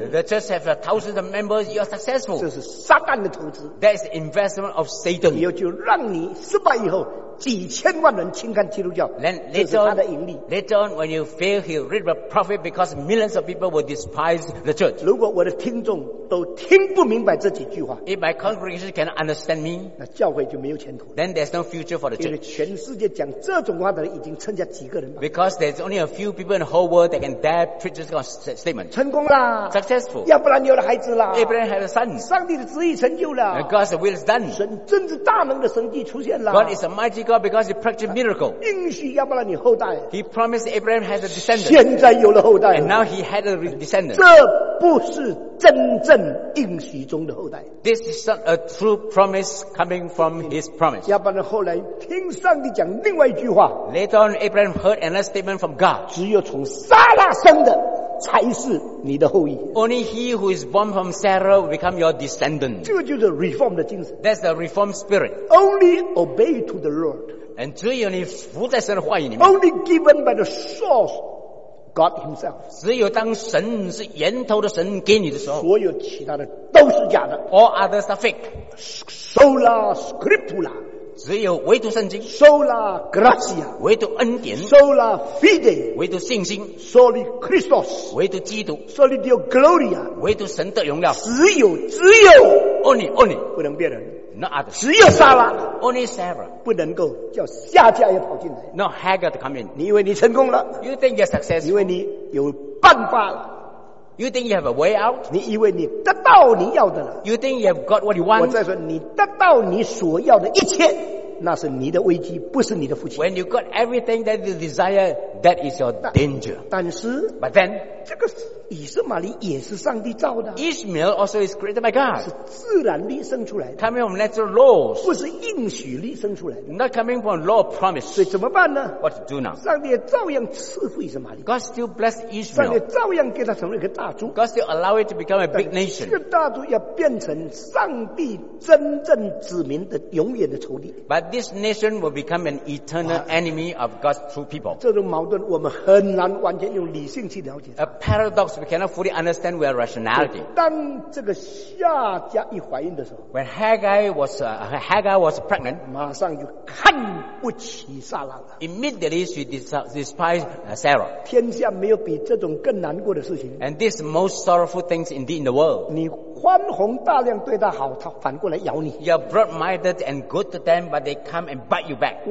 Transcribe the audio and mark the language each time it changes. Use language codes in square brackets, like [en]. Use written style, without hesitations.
[en] The church have thousands of members. You are successful. [zh] 这是撒旦的投资。 [en] That is the investment of Satan. [zh] 以后就让你失败以后。几千万人轻看基督教， [en] then, [zh] 这是他的盈利。 [en] Later on when you fail he'll reap the profit because millions of people will despise the church. [zh] 如果我的听众都听不明白这几句话， [en] if my congregation cannot understand me, [zh] 那教会就没有前途， [en] then there's no future for the church. [zh] 因为全世界讲这种话的人已经剩下几个人吧。 [en] Because there's only a few people in the whole world that can dare preach this kind of statement. [zh] 成功啦， [en] successful， [zh] 要不然你有了孩子啦， [en] Abraham had a son， [zh] 上帝的旨意成就了， [en] God's will is done， [zh] 神真是大能的神迹出现了， [en] God is a mighty God because he practiced miracle. [zh] 应许亚伯拉罕后代。 [en] He promised Abraham has a descendant. [zh] 现在有了后代了。 [en] And now he had a descendant. [zh] 这不是真正应许中的后代。 [en] This is not a true promise coming from his promise. [zh] 亚伯拉罕后来听上帝讲另外一句话。 [en] Later on, Abraham heard another statement from God. [zh] 只有从撒拉生的才是你的后裔。 [en] Only he who is born from Sarah will become your descendant. [zh] 这就是 reform 的精神。 That's the reform spirit. [en] Only obey to the Lord. [zh] And 只有你服在神的话语里面。 [en] Only given by the source, God Himself. [zh] 只有当神是源头的神给你的时候。所有其他的都是假的。 [en] All others are fake. [la] Sola scriptura. [zh] 只有唯独圣经。 [la] Sola gratia. [zh] 唯独恩典。 [la] Sola fide. [zh] 唯独信心。 [la] Soli Christos. [zh] 唯独基督。 [la] Soli Deo gloria. [zh] 唯独神的荣耀。只有。 [en] Only, only. [zh] 不能别人。 [en] Not others. [zh] 只有撒拉。 [en] Only Sarah. [zh] 不能够叫夏甲也跑进来。 [en] Not Hagar to come in. [zh] 你以为你成功了。 [en] You think you're successful. [zh] 因为你有办法了。 [en] You think you have a way out? [zh] 你以为你得到你要的了。 [en] You think you have got what you want? [zh] 我在说你得到你所要的一切，那是你的危机，不是你的福气。 [en] When you got everything that you desire, that is your danger. [zh] 但是 [en] But then, [zh] 这个以色玛利也是上帝造的。 [en] Ishmael also is created by God. [zh] 是自然力生出来的。 [en] Coming from natural laws. [zh] 不是应许力生出来的。 [en] Not coming from law of promise. [zh] 所以怎么办呢？ [en] What to do now? [zh] 上帝也照样赐福以色玛利。 [en] God still blessed Ishmael. [zh] 上帝照样给他成为一个大族。 [en] God still allow it to become a big nation. [zh] 这个大族要变成上帝真正子民的永远的仇敌。 [en] But this nation will become an eternal enemy of God's true people. [zh] 这种矛盾我们很难完全用理性去了解。 [en] A paradox we cannot fully understand with rationality. [zh] 当这个夏甲一怀孕的时候， [en] When Hagar was pregnant, [zh] 马上就看不起撒拉了。 [en] Immediately she despised Sarah. [zh] 天下没有比这种更难过的事情。 [en] And this most sorrowful things indeed in the world. [zh] 你宽宏大量对他好，他反过来咬你。 [en] You are broad-minded and good to them, but they come and bite you back.